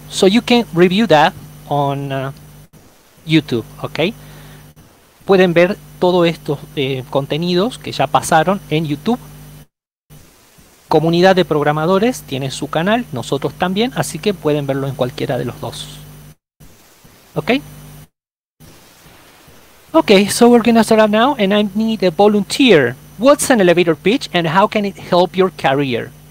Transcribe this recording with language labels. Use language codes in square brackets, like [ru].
[en] So you can review that on YouTube, okay? [es] Pueden ver todos estos contenidos que ya pasaron en YouTube. Comunidad de programadores tiene su canal, nosotros también, así que pueden verlo en cualquiera de los dos. ¿Ok? [en] Ok, so we're gonna start up now and I need a volunteer. What's an elevator pitch and how can it help your career?